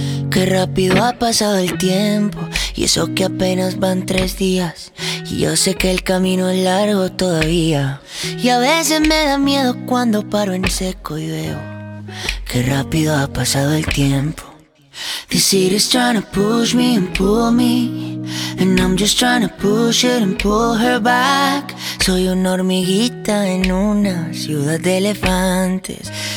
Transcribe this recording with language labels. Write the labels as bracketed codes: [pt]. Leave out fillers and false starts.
[es] Qué rápido ha pasado el tiempo, y eso que apenas van 3 días. Y yo sé que el camino es largo todavía. Y a veces me da miedo cuando paro en seco y veo qué rápido ha pasado el tiempo. [en] The city's trying to push me and pull me, and I'm just trying to push it and pull her back. [es] Soy una hormiguita en una ciudad de elefantes.